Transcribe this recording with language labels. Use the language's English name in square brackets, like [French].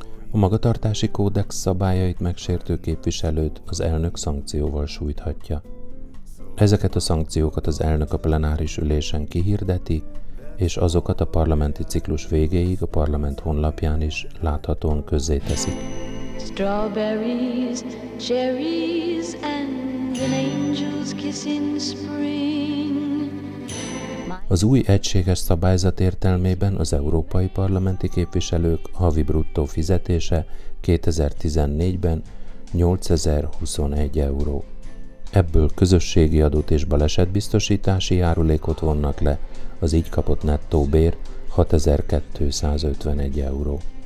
[Hungarian] A magatartási kódex szabályait megsértő képviselőt az elnök szankcióval sújthatja. Ezeket a szankciókat az elnök a plenáris ülésen kihirdeti, és azokat a parlamenti ciklus végéig a parlament honlapján is láthatóan közzéteszik. [English] Strawberries, cherries and an angel's kiss in spring. [Hungarian] Az új egységes szabályzat értelmében az európai parlamenti képviselők havi bruttó fizetése 2014-ben 8021 euró. Ebből közösségi adót és balesetbiztosítási járulékot vonnak le, az így kapott nettó bér 6251 euró.